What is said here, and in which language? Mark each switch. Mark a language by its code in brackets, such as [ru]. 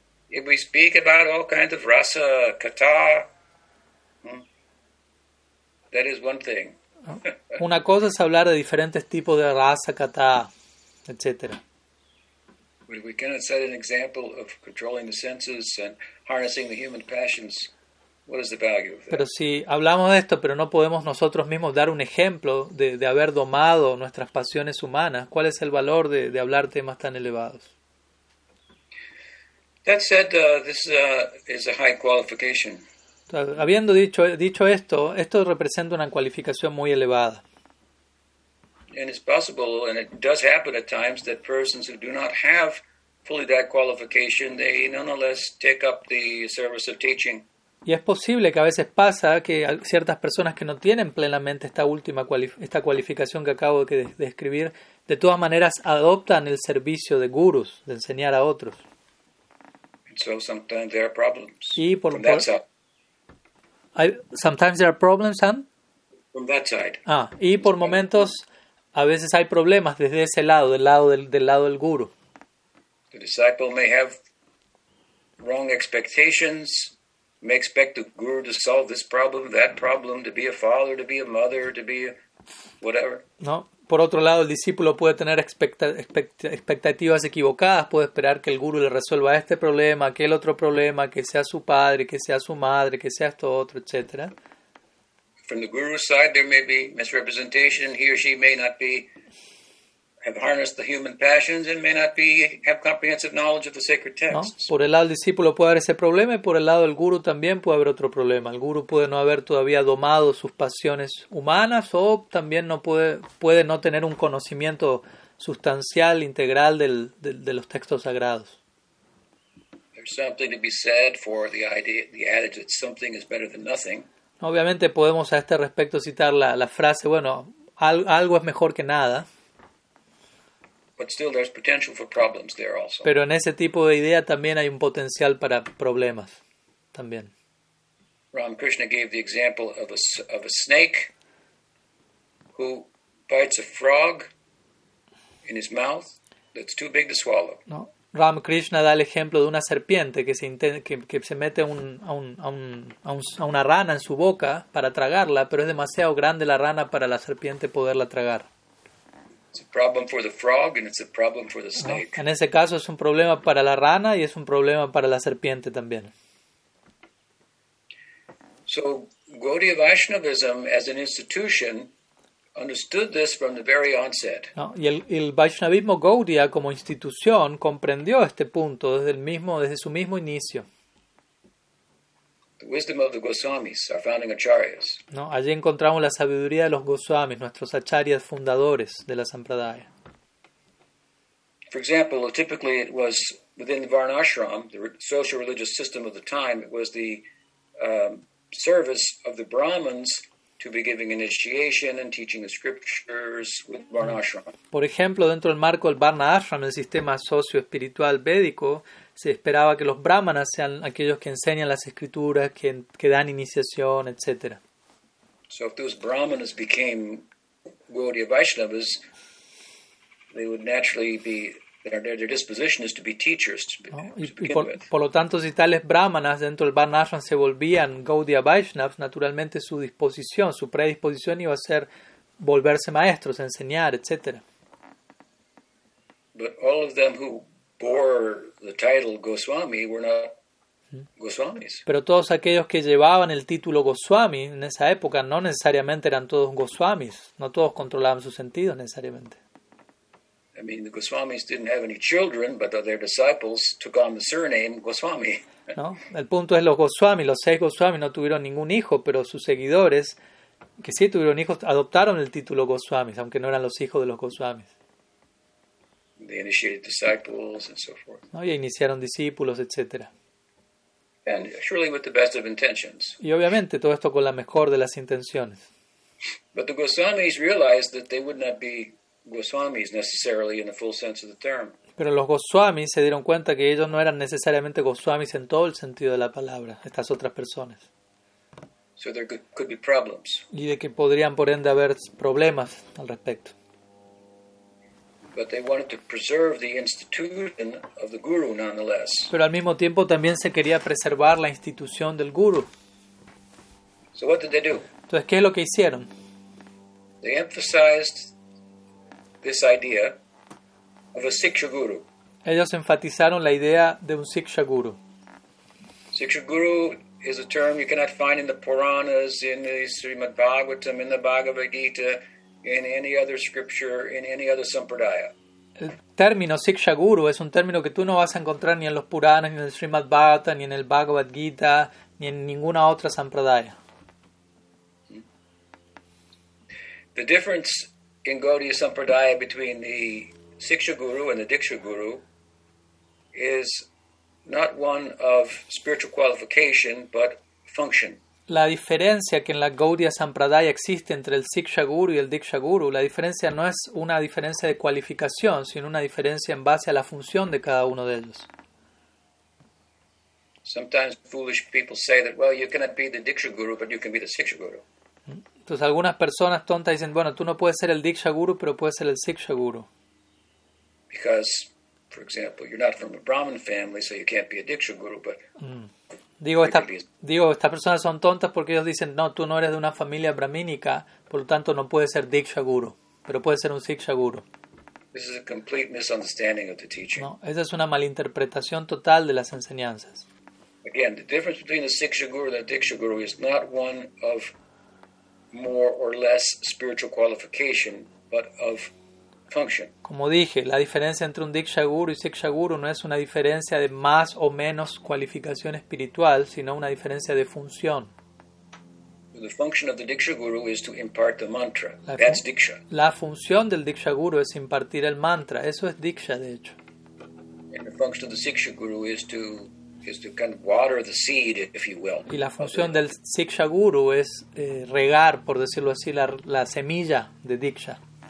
[en] If we speak about all kinds of rasa, kata, that is one thing. [es] Una cosa es hablar de diferentes tipos de rasa, kata, etc. [en] But if we cannot set an example of controlling the senses and harnessing the human passions, what is the value of that? [es] Pero si hablamos de esto, pero no podemos nosotros mismos dar un ejemplo de haber domado nuestras pasiones humanas, ¿cuál es el valor de hablar temas tan elevados? [en] That said, this is a high qualification. [es] Habiendo dicho esto, esto representa una cualificación muy elevada. [en] And it's possible, and it does happen at times, that persons who do not have fully that qualification, they nonetheless take up the service of teaching. [es] Y es posible que a veces pasa que ciertas personas que no tienen plenamente esta cualificación que acabo de describir, de todas maneras adoptan el servicio de gurus, de enseñar a otros. [en] And so sometimes there are problems. [es] Y por lo tanto, [en] sometimes there are problems, Sam? From that side. [es] Y por momentos... A veces hay problemas desde ese lado, del lado del guru. [en] The disciple may have wrong expectations, may expect the guru to solve this problem, that problem, to be a father, to be a mother, to be a whatever. [es] No. Por otro lado, el discípulo puede tener expectativas equivocadas, puede esperar que el guru le resuelva este problema, aquel otro problema, que sea su padre, que sea su madre, que sea esto otro, etcétera. [en] From the guru's side, there may be misrepresentation. He or she may not be have harnessed the human passions and may not be have comprehensive knowledge of the sacred texts. [es] No, por el lado del discípulo puede haber ese problema y por el lado del guru también puede haber otro problema. El guru puede no haber todavía domado sus pasiones humanas o también no puede no tener un conocimiento sustancial integral de los textos sagrados. [en] There's something to be said for the idea, the adage that something is better than nothing. [es] Obviamente podemos a este respecto citar la frase, bueno, algo es mejor que nada. [en] But still there's potential for problems there also. [es] Pero en ese tipo de idea también hay un potencial para problemas también. [en] Ramakrishna gave the example of a snake who bites a frog in his mouth that's too big to swallow. [es] No. Ramakrishna da el ejemplo de una serpiente que se mete a una rana en su boca para tragarla, pero es demasiado grande la rana para la serpiente poderla tragar. [en] It's a problem for the frog and it's a problem for the snake. [es] En ese caso es un problema para la rana y es un problema para la serpiente también. [en] So Gaudiya Vaishnavism as an institution understood this from the very onset. [es] No, y el Vaishnavismo Gaudiya como institución comprendió este punto desde su mismo inicio. [en] The wisdom of the Goswamis, our founding acharyas. [es] No, allí encontramos la sabiduría de los Goswamis, nuestros acharyas fundadores de la Sampradaya. [en] For example, typically it was within the Varnashram, the social religious system of the time, it was the service of the Brahmins to be giving initiation and teaching the scriptures with Varnashram. [es] Por ejemplo, dentro del marco del Varna Ashram, el sistema socio-espiritual védico, se esperaba que los brahmanas sean aquellos que enseñan las escrituras, que dan iniciación, etc. [en] So if those brahmanas became Gaudiya Vaishnavas, they would naturally be their disposition is to be teachers. [es] Por lo tanto, si tales brahmanas dentro del Varna Ashram se volvían Gaudiya Vaishnavas, naturalmente su disposición, su predisposición iba a ser volverse maestros, enseñar, etc. [en] But all of them who bore the title Goswami were not Goswamis. [es] Pero todos aquellos que llevaban el título Goswami en esa época no necesariamente eran todos Goswamis. No todos controlaban sus sentidos necesariamente. [en] I mean, the Goswamis didn't have any children, but their disciples took on the surname Goswami. [es] No, el punto es los Goswamis, los seis Goswamis no tuvieron ningún hijo, pero sus seguidores, que sí tuvieron hijos, adoptaron el título Goswamis, aunque no eran los hijos de los Goswamis. [en] They initiated disciples and so forth. [es] No, y iniciaron discípulos, etc. [en] And surely with the best of intentions. [es] Y obviamente todo esto con la mejor de las intenciones. [en] But the Goswamis realized that they would not be Goswamis necessarily in the full sense of the term. [es] Pero los Goswamis se dieron cuenta que ellos no eran necesariamente Goswamis en todo el sentido de la palabra, estas otras personas. [en] So there could be problems. [es] Y de que podrían por ende haber problemas al respecto. [en] But they wanted to preserve the institution of the guru nonetheless. [es] Pero al mismo tiempo también se quería preservar la institución del guru. [en] So what did they do? [es] Entonces, ¿qué es lo que hicieron? [en] They emphasized this idea of a Siksha Guru. [es] Ellos enfatizaron la idea de un Siksha Guru. [en] Siksha Guru is a term you cannot find in the Puranas, in the Srimad Bhagavatam, in the Bhagavad Gita, in any other scripture, in any other sampradaya. [es] El término Siksha Guru es un término que tú no vas a encontrar ni en los Puranas, ni en el Srimad Bhagavatam, ni en el Bhagavad Gita, ni en ninguna otra sampradaya. [en] The difference in Gaudiya Sampradaya between the Siksha Guru and the Diksha Guru is not one of spiritual qualification, but function. [es] La diferencia que en la Gaudiya Sampradaya existe entre el Siksha Guru y el Diksha Guru, la diferencia no es una diferencia de cualificación, sino una diferencia en base a la función de cada uno de ellos. [en] Sometimes foolish people say that, well, you cannot be the Diksha Guru, but you can be the Siksha Guru. [es] Entonces algunas personas tontas dicen, bueno, tú no puedes ser el Diksha Guru, pero puedes ser el Siksha Guru. [en] Because, for example, you're not from a Brahmin family, so you can't be a Diksha Guru, but... [es] Estas personas son tontas porque ellos dicen, no, tú no eres de una familia brahmínica, por lo tanto no puedes ser Diksha Guru, pero puedes ser un Siksha Guru. [en] This is a complete misunderstanding of the teaching. [es] No, esa es una malinterpretación total de las enseñanzas. [en] Again, the difference between the Siksha Guru and the Diksha Guru is not one of more or less spiritual qualification, but of function. [es] Como dije, la diferencia entre un Diksha Guru y Siksha Guru no es una diferencia de más o menos cualificación espiritual, sino una diferencia de función. [en] The function of the Diksha Guru is to impart the mantra. That's Diksha. [es] La función del Diksha Guru es impartir el mantra. Eso es Diksha, de hecho. [en] And the function of the Siksha Guru is to kind of water the seed, if you will. [es] Y la función del Siksha Guru es regar, por decirlo así, la semilla de Diksha.